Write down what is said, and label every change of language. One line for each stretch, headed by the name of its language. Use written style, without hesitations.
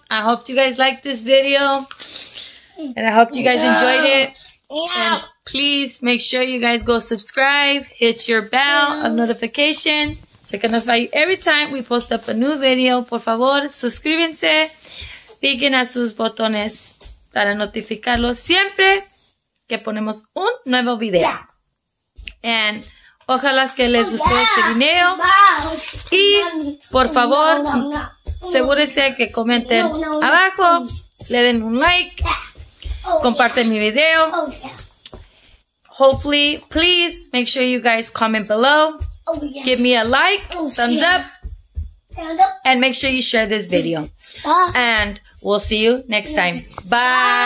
English: I hope you guys liked this video, and I hope you guys enjoyed it. And please make sure you guys go subscribe, hit your bell of notification to notify you every time we post up a new video.
Spanish: Por favor, suscríbanse, piquen a sus botones. Para notificarlos siempre que ponemos un nuevo video. Yeah. And ojalá que les guste este video. Y por favor, asegúrense que comenten abajo, le den un like, comparten mi video.
English: Hopefully, please make sure you guys comment below. Give me a like, thumbs up, and make sure you share this video. And we'll see you next time. Bye.